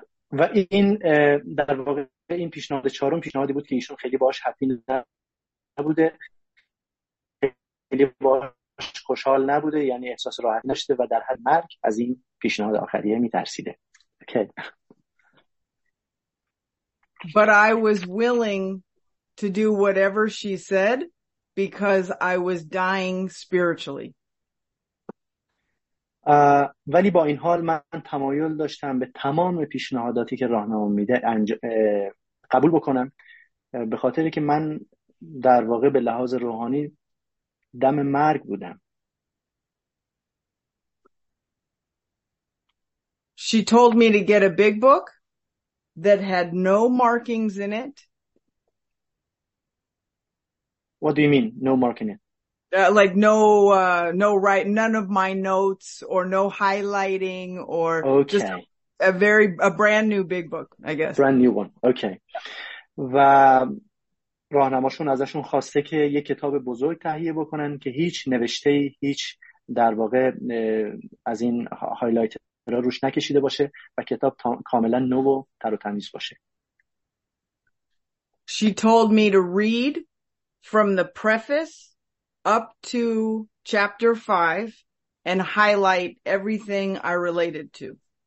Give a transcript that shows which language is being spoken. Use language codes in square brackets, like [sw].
[fa] و این در واقع این پیشنهاد چهارم پیشنهادی بود که ایشون خیلی باش حفی نبوده، خیلی باش خوشحال نبوده، یعنی احساس راحت نشته و در حد مرگ از این پیشنهاد آخریه میترسیده. [en] Okay. But I was willing to do whatever she said because I was dying spiritually. [fa] ولی با این حال من تمایل داشتم به تمام پیشنهاداتی که راهنما میده قبول بکنم به خاطر که من در واقع به لحاظ روحانی دم مرگ بودم. [en] She told me to get a big book that had no markings in it. What do you mean, no marking it? Like no right, none of my notes or no highlighting or okay. Just a brand new big book, I guess. Brand new one. Okay. [fa] و راهنماشون ازشون خواسته که یک کتاب بزرگ تهیه بکنن که هیچ نوشته ای هیچ در واقع از این هایلایت را روش نکشیده باشه و کتاب کاملا نو و تر و تمیز باشه. [en] She told me to read from the preface up to chapter 5 and highlight everything I related to.